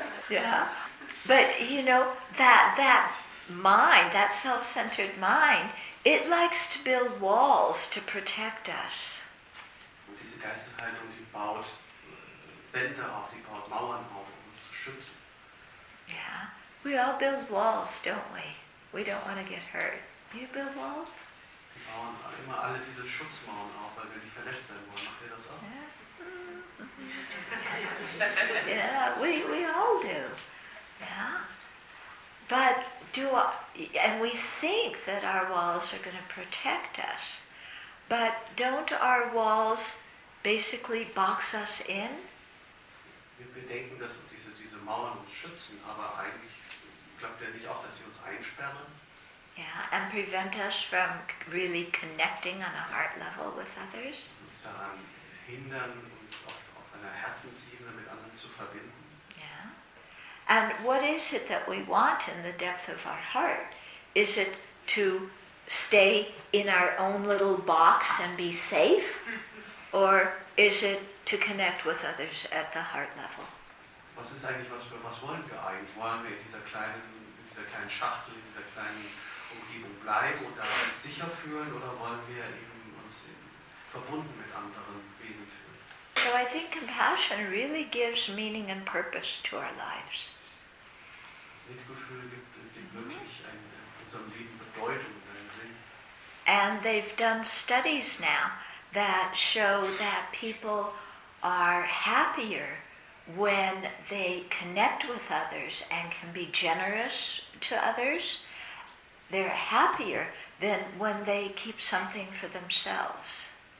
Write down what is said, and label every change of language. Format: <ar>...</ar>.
<en>Yeah, but you know, that mind, that self-centered mind, it likes to build walls to protect us.</en> <de>Und diese Geisteshaltung, die baut Wände auf, die baut Mauern auf, um uns zu schützen.</de> <en>Yeah, we all build walls, don't we? We don't want to get hurt. You build walls?</en> <de>Wir bauen immer alle diese Schutzmauern auf, weil wir nicht verletzt werden wollen. Macht ihr das auch?</de> <en>Yeah. Yeah, we all do. Yeah. But we think that our walls are going to protect us. But don't our walls basically box us in?</en> <de>Wir denken, dass diese Mauern uns schützen, aber eigentlich glaubt ihr nicht auch, dass sie uns einsperren?</de> <en>Yeah, and prevent us from really connecting on a heart level with others?</en> <de>Uns daran hindern, uns auf einer Herzensebene mit anderen zu verbinden.</de> <en>Yeah. And what is it that we want in the depth of our heart? Is it to stay in our own little box and be safe? Or is it to connect with others at the heart level?</en> <de>Was ist eigentlich, was wollen wir eigentlich? Wollen wir in dieser kleinen Schachtel, in dieser kleinen Umgebung bleiben und da sicher fühlen, oder wollen wir eben uns verbunden mit anderen Wesen fühlen?</de> <en>So I think compassion really gives meaning and purpose to our lives.</en> <de>Mitgefühl gibt wirklich unserem Leben Bedeutung und einen Sinn.</de> <en>And they've done studies now that show that people are happier when they connect with others and can be generous to others. They're happier than when they keep something for themselves.</en>